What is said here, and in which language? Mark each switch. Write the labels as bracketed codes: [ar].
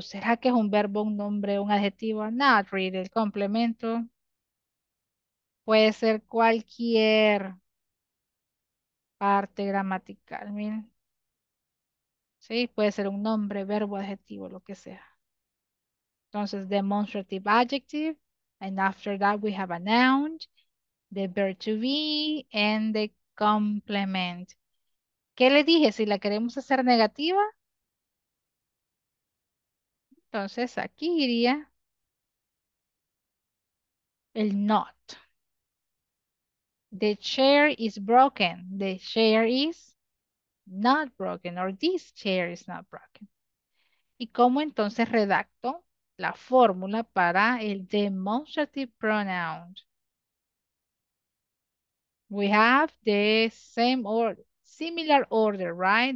[es] ¿Será que es un verbo, un nombre, un adjetivo? [en] Not really. [es] El complemento puede ser cualquier parte gramatical. Miren. Sí, puede ser un nombre, verbo, adjetivo, lo que sea. [en] Entonces, demonstrative adjective. And after that, we have a noun, the verb to be, and the complement. [es] ¿Qué le dije? Si la queremos hacer negativa, entonces aquí iría [en] El not. The chair is broken. The chair is not broken, or this chair is not broken. [es] ¿Y cómo entonces redacto la fórmula para el demonstrative pronoun? [en] We have the same order, similar order, right?